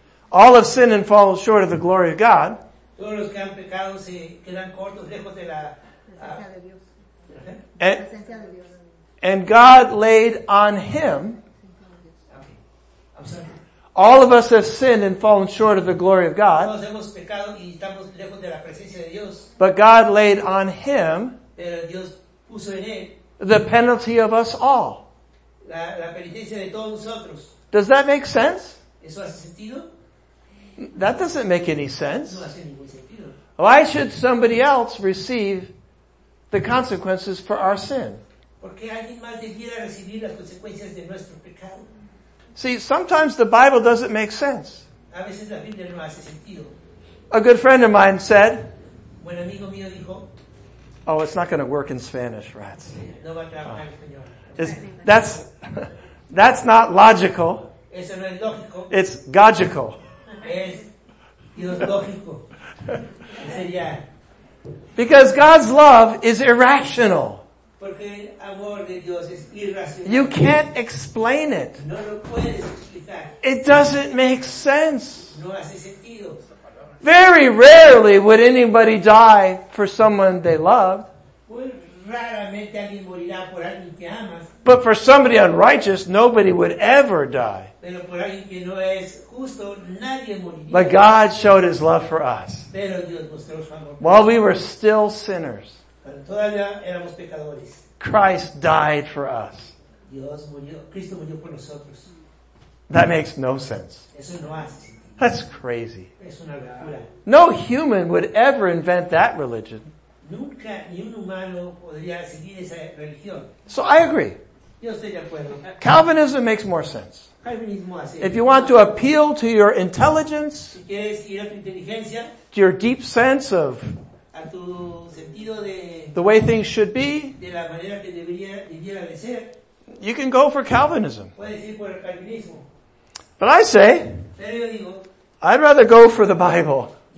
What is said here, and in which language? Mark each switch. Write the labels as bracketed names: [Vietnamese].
[English] All have sinned and fall short of the glory of God. [Spanish] Todos los que han pecado se quedan cortos, lejos de la presencia de Dios. [English] And God laid on him. Okay. I'm sorry. All of us have sinned and fallen short of the glory of God. [Spanish] Todos hemos pecado y estamos lejos de la presencia de Dios. [English] But God laid on him. [Spanish] Pero Dios puso en él. [English] The penalty of us all. [Spanish] La penitencia de todos nosotros. [English] Does that make sense? [Spanish] ¿Eso hace sentido? [English] That doesn't make any sense. [Spanish] No hace ningún sentido. [English] Why should somebody else receive the consequences for our sin? [Spanish] Porque alguien más debiera recibir las consecuencias de nuestro pecado. [English] See, sometimes the Bible doesn't make sense. [Spanish] A veces la Biblia no hace sentido. [English] A good friend of mine said, [Spanish] buen amigo mío dijo, [English] oh, it's not going to work in Spanish, rats. [Spanish] No va a trabajar en español. [English] That's not logical. [Spanish] Eso no es lógico. [English] It's gogical. [Spanish] Es ilógico. Sería. [English] Because God's love is irrational. [Spanish] Porque el amor de Dios es irracional. [English] You can't explain it. [Spanish] No lo puedes explicar. [English] It doesn't make sense. [Spanish] No hace sentido. [English] Very rarely would anybody die for someone they loved. [Spanish] Muy raramente alguien morirá por alguien que amas. [English] But for somebody unrighteous, nobody would ever die. [Spanish] Pero por alguien que no es justo, nadie moriría. [English] But God showed his love for us. [Spanish] Pero Dios mostró su amor. [English] While we were still sinners, [Spanish] pero todavía éramos pecadores. [English] Christ died for us. [Spanish] Dios murió. Cristo murió por nosotros. [English] That makes no sense. [Spanish] Eso no hace sentido. [English] That's crazy. [Spanish] Es una locura. [English] No human would ever invent that religion. [Spanish] Nunca ni un humano podría seguir esa religión. [English] So I agree. [Spanish] Yo estoy de acuerdo. [English] Calvinism makes more sense. [Spanish] Calvinismo hace. [English] If you want to appeal to your intelligence, [Spanish] si quieres ir a tu inteligencia, [English] to your deep sense of [Spanish] a tu sentido de, [English] the way things should be, [Spanish] de la manera que debería, debiera de ser, [English] you can go for Calvinism. [Spanish] Puedes ir por el Calvinismo. [English] But I say, I'd rather go for the Bible.